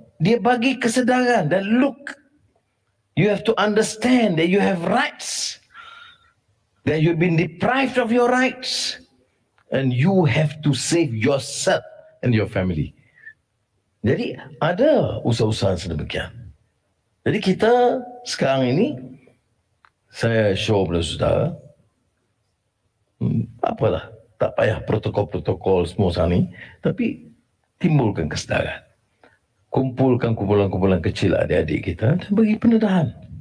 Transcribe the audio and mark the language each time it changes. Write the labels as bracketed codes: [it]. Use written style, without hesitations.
[ms] Dia bagi kesedaran dan look. [en] You have to understand that you have rights. That you've been deprived of your rights. And you have to save yourself and your family. [ms] Jadi ada usaha-usaha sedemikian. Jadi kita sekarang ini, saya show pada saudara, apalah. Tak payah protokol-protokol semua sana ni. Tapi timbulkan kesedaran. Kumpulkan kumpulan-kumpulan kecil adik-adik kita dan bagi pendedahan.